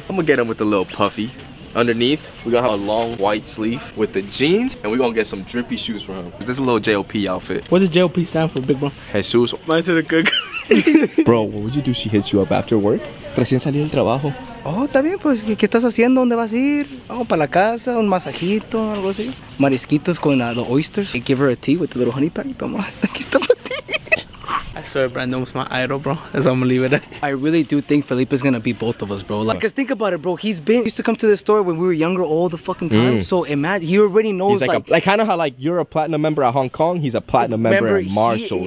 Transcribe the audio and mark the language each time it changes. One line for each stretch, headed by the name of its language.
English: I'm gonna get him with a little puffy. Underneath, we're gonna have a long white sleeve with the jeans, and we're gonna get some drippy shoes for him. This is a little JLP outfit. What does JLP stand for, big bro? Jesus. My turn to cook. Bro, what would you do if she hits you up after work?
Spanish: Recién salí del trabajo. Oh, está bien, pues, ¿qué estás haciendo? ¿Dónde vas a ir? Vamos para la casa, un masajito, algo así. Marisquitos con
English: the oysters. I give her a tea with a little honey pack.
Spanish: Toma, aquí está para ti.
English: I swear Brandon was my idol, bro. That's how I'm gonna leave it at. I really do think Felipe's gonna be both of us, bro. Like, cause think about it, bro. He used to come to the store when we were younger all the fucking time. Mm. So imagine, he already knows. He's like kind of how, like, you're a platinum member at Hong Kong. He's a platinum member at Marshall.